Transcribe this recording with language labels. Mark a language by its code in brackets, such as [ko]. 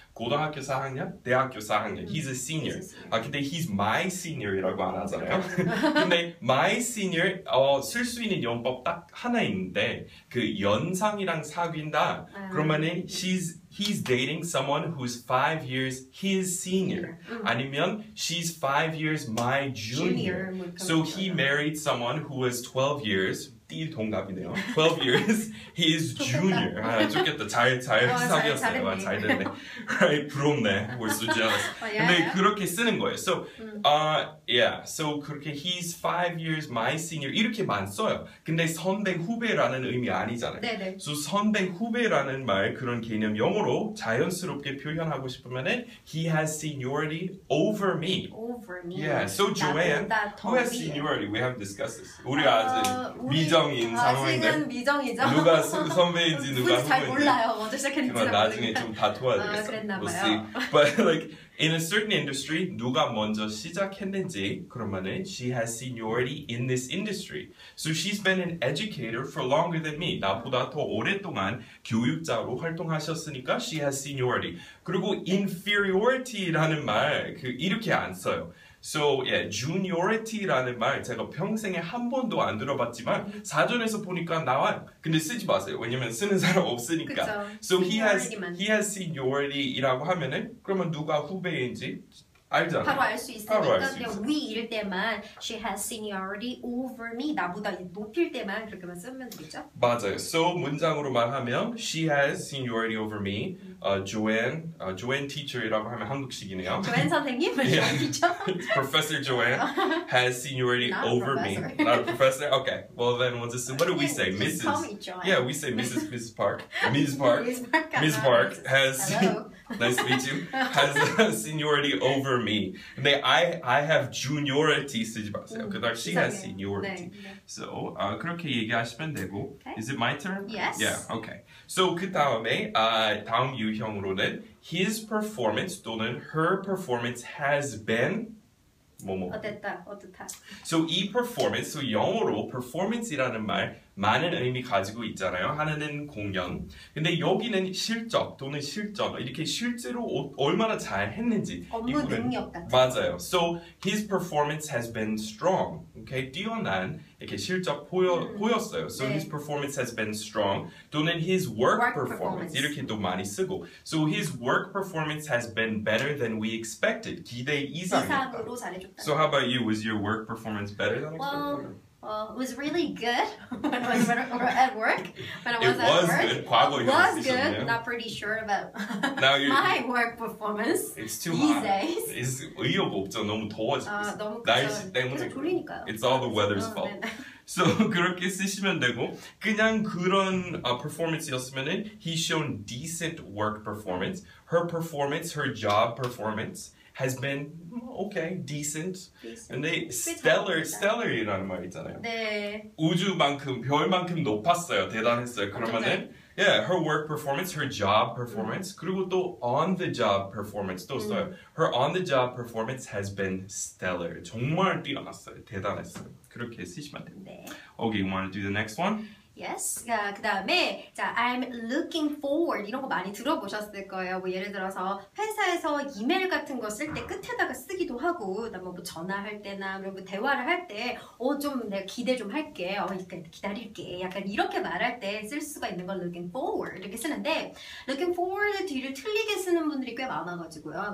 [ko] 고등학교 4학년, 대학교 4학년, [en] he's a senior. [ko] 근데 [en] he's my senior [ko] 이라고 안 하잖아요. 근데 my senior, 쓸 수 있는 용법 딱 하나 있는데 그 연상이랑 사귄다, 그러면은 [en] he's dating someone who's 5 years his senior. 아니면 she's 5 years my junior. So he married someone who was 12 years [ko] 동갑이네요. [en] 12 years, he is junior. [ko] 좋겠다. 잘 사귀었어요. 잘 됐네. [en] Right, [ko] 부럽네. [en] We're so jealous. [ko] 근데 그렇게 쓰는 거예요. [en] So, yeah. So [ko] 그렇게 [en] he's 5 years my senior [ko] 이렇게만 써요. 근데 선배 후배라는 의미 아니잖아요. 네네. So 선배 후배라는 말 그런 개념 영어로 자연스럽게 표현하고 싶으면은 [en] he has seniority over me. Over me. Yeah. So Joanne, who has seniority? We have discussed this. [ko] 우리 아직 미정 미정인 상황인데 아직은 미정이죠? 누가 선배인지 누가 선배인지 잘 몰라요 언제 시작했는지 나중에 좀 다투어야 되겠어 아, 그랬나 봐요 [en] we'll But like in a certain industry [ko] 누가 먼저 시작했는지 그러면은 [en] she has seniority in this industry So she's been an educator for longer than me [ko] 나보다 더 오랫동안 교육자로 활동하셨으니까 [en] she has seniority [ko] 그리고 inferiority라는 말 그 이렇게 안 써요 [en] So, yeah, [ko] juniority라는 말 제가 평생에 한 번도 안 들어봤지만 사전에서 보니까 나와 근데 쓰지 마세요. 왜냐면 쓰는 사람 없으니까. 그쵸. So, [en] he has seniority [ko] 라고 하면은 그러면 누가 후배인지 알잖아요. 바로 알 수 있어요. 그러니까 위일 때만 [en] she has seniority over me. [ko] 나보다 높일 때만 그렇게만 쓰면 되겠죠? 맞아요. [en] So, [ko] 문장으로 말하면 [en] she has seniority over me. [ko] Joanne teacher이라고 하면 한국식이네요. Joanne 선생님? Yeah. [en] professor Joanne has seniority Not over professor. me. Not a professor. Okay. Well, then we'll just say, what do we say? Mrs. Tell me Joanne. Yeah, we say Mrs. Park. Ms. Park. Ms. Park has... Nice to meet you. Has seniority over me. [ko] 근데 [en] I have juniority [ko] 쓰지 마세요. 그 다음 she 이상해. [en] has seniority. [ko] 네, 네. So 그렇게 얘기하시면 되고. [en] Okay. Is it my turn? Yes. Yeah. Okay. So [ko] 그 다음에 다음 유형으로는 [en] his performance [ko] 또는 [en] her performance has been [ko] 뭐뭐. 어땠다. 어땠다. So 이 performance, so 영어로 performance이라는 말 많은 의미 가지고 있잖아요. 하나는 공연. 근데 여기는 실적 또는 실적 이렇게 실제로 얼마나 잘 했는지 업무 이거는, 능력 같은 맞아요. [en] So his performance has been strong. 오케이 okay? [ko] 뛰어난 이렇게 실적 보였어요. [en] So [ko] 네. [en] his performance has been strong. [ko] 또는 [en] his work performance. performance [ko] 이렇게도 많이 쓰고. [en] So his work performance has been better than we expected. [ko] 기대 이상이었다. 이상으로 잘해줬다. [en] So how about you? Was your work performance better than expected? Well, it was really good when I was at work. When I was it was at work. Good. [ko] 과거 [en] it was good. Not pretty sure about now my work performance. It's too hot. [ko] It's 의욕 없죠. 너무 더워지고 있어. 날씨 때문에. 졸리니까요. [en] It's all the weather's fault. [ko] 네. So 그렇게 쓰시면 되고 그냥 그런 performance였으면은 [en] he's shown decent work performance. Her performance, her job performance. Has been okay, decent. decent. [ko] 근데 stellar, stellar이라는 말 있잖아요. 네. 우주만큼, 별만큼 높았어요. 대단했어요. 그러면은, 완전히. [en] yeah, her work performance, her job performance, [ko] 그리고 또 [en] on the job performance [ko] 또 써요. [en] Her on the job performance has been stellar. [ko] 정말 뛰어났어요. 대단했어요. 그렇게 쓰시면 돼요. 네. [en] Okay, you want to do the next one? Yes. [ko] 그 다음에 자 I'm looking forward 이런 거 많이 들어보셨을 거예요. 뭐 예를 들어서 회사에서 이메일 같은 거 쓸 때 끝에다가 쓰기도 하고 뭐 전화할 때나 뭐 대화를 할 때 좀 내가 기대 좀 할게. 기다릴게. 약간 이렇게 말할 때 쓸 수가 있는 걸 looking forward 이렇게 쓰는데 looking forward 뒤를 틀리게 쓰는 분들이 꽤 많아가지고요.